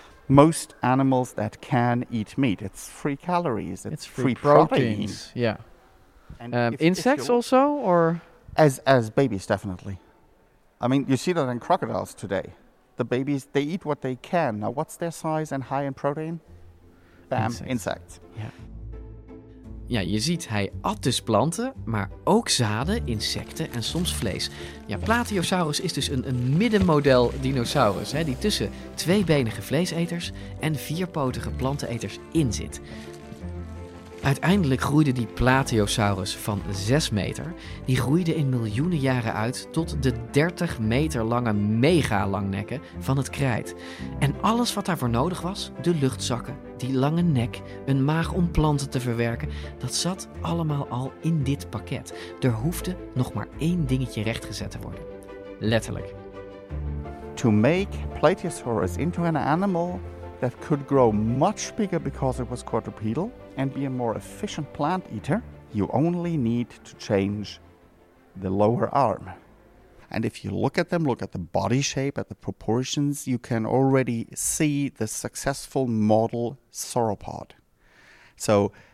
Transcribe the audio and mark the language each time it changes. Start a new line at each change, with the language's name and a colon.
English: Most animals that can eat meat, it's free calories. It's free proteins. Yeah. And insects also, or as babies, definitely. I mean, you see that in crocodiles today. The babies, they eat what they can. Now, what's their size and high in protein? Bam, insect.
Dutch: Ja, je ziet, hij at dus planten, maar ook zaden, insecten en soms vlees. Ja, Plateosaurus is dus een middenmodel dinosaurus, hè, die tussen tweebenige vleeseters en vierpotige planteneters in zit. Uiteindelijk groeide die Plateosaurus van 6 meter. Die groeide in miljoenen jaren uit tot de 30 meter lange megalangnekken van het krijt. En alles wat daarvoor nodig was, de luchtzakken, die lange nek, een maag om planten te verwerken, dat zat allemaal al in dit pakket. Er hoefde nog maar één dingetje rechtgezet te worden. Letterlijk.
English: To make Plateosaurus into an animal that could grow much bigger because it was quadrupedal and be a more efficient plant eater, you only need to change the lower arm. And if you look at them, look at the body shape, at the proportions, you can already see the successful model sauropod. So